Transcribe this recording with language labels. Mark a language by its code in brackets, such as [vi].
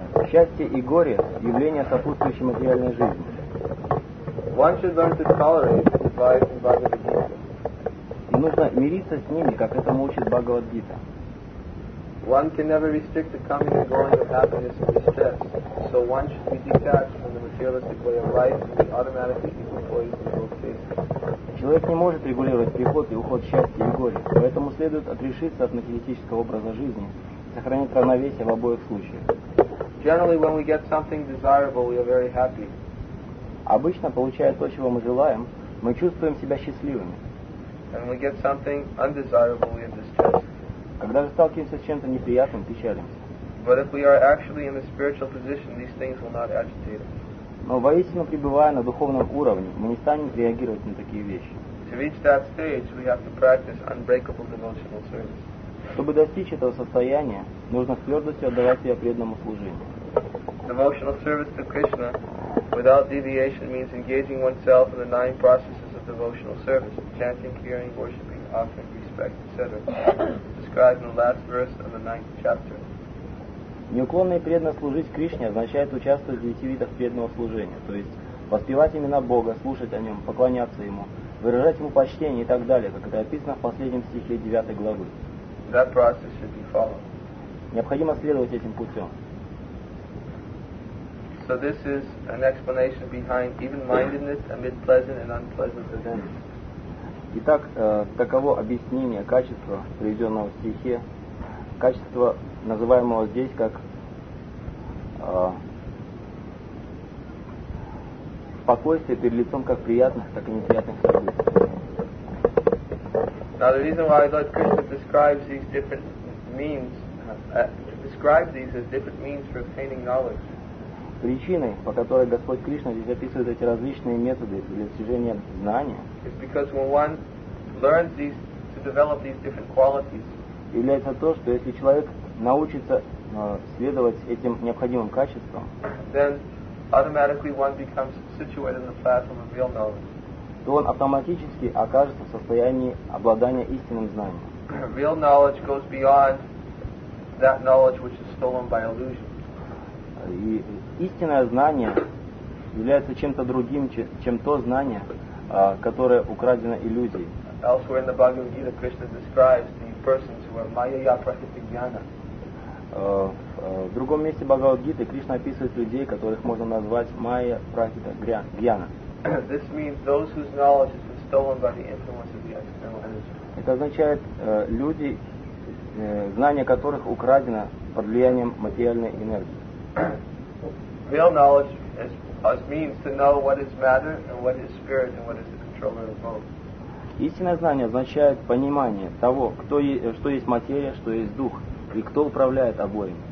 [ru] Счастье и горе – явление, сопутствующее материальной жизни. [en] One should learn to tolerate life in Bhagavad-gita. [ru] И нужно мириться с ними, как этому учит Бхагавад-гита. [en] One can never restrict the coming and going of happiness and distress. So one should be detached from the materialistic way of life and be automatically employed in both cases. [ru] Человек не может регулировать приход и уход счастья и горя, поэтому следует отрешиться от материалистического образа жизни, сохранить равновесие в обоих случаях. [en] Generally, when we get something desirable, we are very happy. [ru] Обычно, получая то, чего мы желаем, мы чувствуем себя счастливыми. [en] And we get something undesirable, we are distressed. [ru] Когда же сталкиваемся с чем-то неприятным, печалимся. [en] But if we are actually in a spiritual position, these things will not agitate us. [ru] Но воистину, пребывая на духовном уровне, мы не станем реагировать на такие вещи. [en] To reach that stage, we have to practice unbreakable devotional service. [ru] Чтобы достичь этого состояния, нужно с твердостью отдавать себя преданному служению. [en] Devotional service to Krishna without deviation means engaging oneself in the nine processes of devotional service, chanting, hearing, worshipping, offering, respect, etc. Described in the last verse of the ninth chapter. [ru] Неуклонно и преданно служить Кришне означает участвовать в девяти видах преданного служения, то есть воспевать имена Бога, слушать о Нем, поклоняться Ему, выражать Ему почтение и так далее, как это описано в последнем стихе 9 главы. [en] That process should be followed. [ru] Необходимо следовать этим путем. [en] So this is an explanation behind even-mindedness amid pleasant and unpleasant events. [ru] Итак, таково объяснение качества, приведенного в стихе, качества, называемого здесь как спокойствие перед лицом как приятных, так и неприятных событий. [en] Now the reason why Lord Krishna describes these different means, describes these as different means for obtaining knowledge. [ru] Причиной, по которой Господь Кришна здесь описывает эти различные методы для достижения знания, [en] is because when one learns these to develop these different qualities, [ru] является то, что если человек научится следовать этим необходимым качествам, [en] then automatically one becomes situated in the platform of real knowledge. [ru] То он автоматически окажется в состоянии обладания истинным знанием. [en] Real knowledge goes beyond that knowledge which is stolen by illusion. [ru] И истинное знание является чем-то другим, чем то знание, которое украдено иллюзией. [en] Elsewhere in the Bhagavad Gita, Krishna describes the persons who are Maya Prakritigyana. [ru] В другом месте Бхагавад Гиты Кришна описывает людей, которых можно назвать Майя Прахита Гьяна. [en] This means those whose knowledge has been stolen by the influence of the external energy. [ru] Это означает люди, знания которых украдено под влиянием материальной энергии. [en] Real knowledge as means to know what is matter and what is spirit and what is the controller of both. [ru] Истинное знание означает понимание того, что есть материя, что есть дух, и кто управляет обоим.